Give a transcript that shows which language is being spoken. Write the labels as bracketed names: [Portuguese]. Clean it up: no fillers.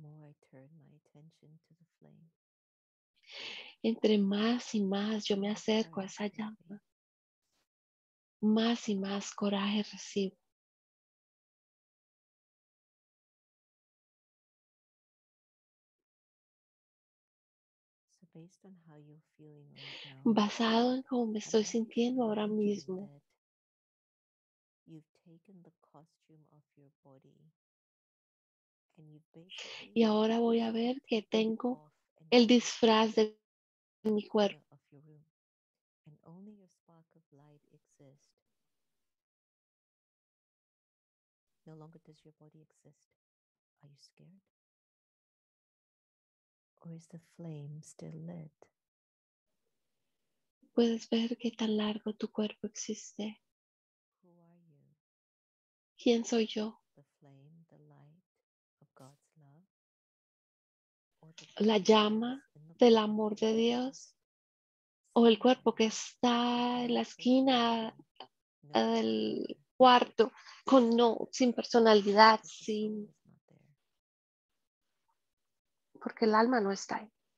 [English] I turn my attention to the flame. [Spanish] Entre más y más yo me acerco a esa llama, más y más coraje recibo. [English] So based on how you're feeling right now, [Spanish] basado en cómo me estoy sintiendo ahora mismo, [English] you've taken the costume of your body, and you've [Spanish] basically, y ahora voy a ver que tengo el disfraz de mi cuerpo. [English] And only your spark of light exists. No longer does your body exist. Are you scared? Or is the flame still lit? [Spanish] ¿Puedes ver qué tan largo tu cuerpo existe? [English] Who are you? [Spanish] ¿Quién soy yo? [English] The flame, the light of God's love. [Spanish] La llama del amor de Dios, o el cuerpo que está en la esquina del cuarto con no, sin personalidad, sin, porque el alma no está ahí.